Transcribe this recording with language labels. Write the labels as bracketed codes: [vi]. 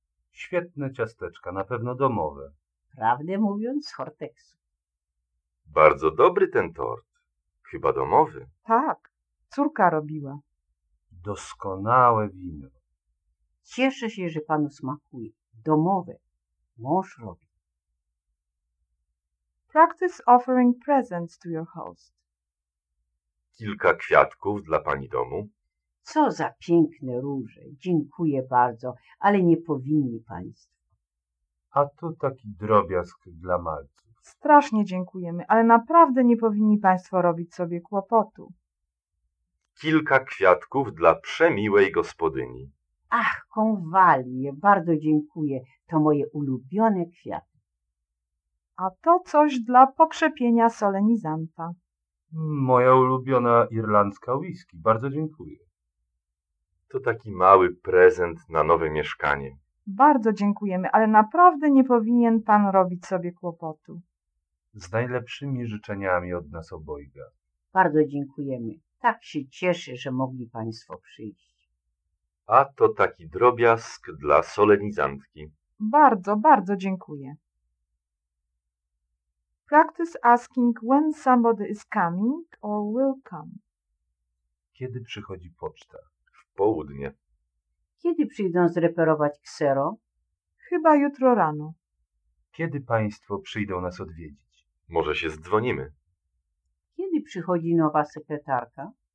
[pl] Świetne ciasteczka, na pewno domowe. Prawdę mówiąc, z Horteksu. Bardzo dobry ten tort. Chyba domowy. Tak. Córka robiła. Doskonałe wino. Cieszę się, że panu smakuje. Domowe. Mąż robi. [en] Practice offering presents to your host. [pl] Kilka kwiatków dla pani domu. Co za piękne róże. Dziękuję bardzo, ale nie powinni państwo. A tu taki drobiazg dla malców. Strasznie dziękujemy, ale naprawdę nie powinni państwo robić sobie kłopotu. Kilka kwiatków dla przemiłej gospodyni. Ach, konwalie, bardzo dziękuję. To moje ulubione kwiaty. A to coś dla pokrzepienia solenizanta. Moja ulubiona irlandzka whisky. Bardzo dziękuję. To taki mały prezent na nowe mieszkanie. Bardzo dziękujemy, ale naprawdę nie powinien pan robić sobie kłopotu. Z najlepszymi życzeniami od nas obojga. Bardzo dziękujemy. Tak się cieszę, że mogli państwo przyjść. A to taki drobiazg dla solenizantki. Bardzo, bardzo dziękuję. [en] Practice asking when somebody is coming or will come. [pl] Kiedy przychodzi poczta? W południe. Kiedy przyjdą zreperować ksero? Chyba jutro rano. Kiedy państwo przyjdą nas odwiedzić? Może się zdzwonimy. Kiedy przychodzi nowa sekretarka?